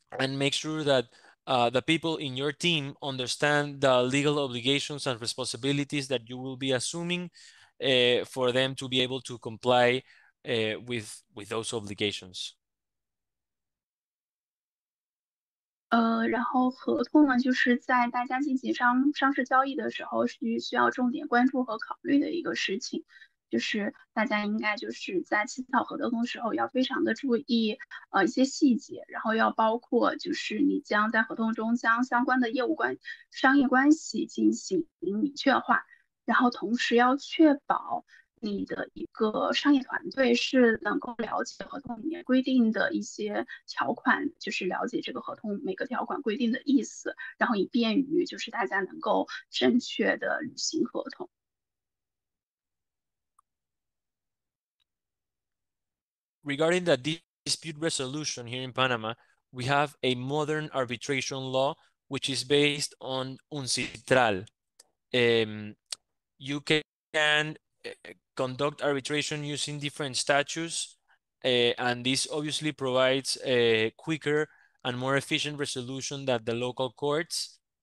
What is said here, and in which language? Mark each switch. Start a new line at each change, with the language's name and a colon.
English: make sure that the people in your team understand the legal obligations and responsibilities that you will be assuming for them to be able to comply with those obligations.
Chinese: 然后合同呢，就是在大家进行商事交易的时候，需要重点关注和考虑的一个事情。就是大家应该就是在起草合同的时候要非常的注意一些细节，然后要包括就是你将在合同中将相关的业务关商业关系进行明确化，然后同时要确保你的一个商业团队是能够了解合同里面规定的一些条款，就是了解这个合同每个条款规定的意思，然后以便于就是大家能够正确的履行合同。
English: Regarding the dispute resolution here in Panama, we have a modern arbitration law, which is based on uncitral. You can conduct arbitration using different statutes, and this obviously provides a quicker and more efficient resolution than the local courts.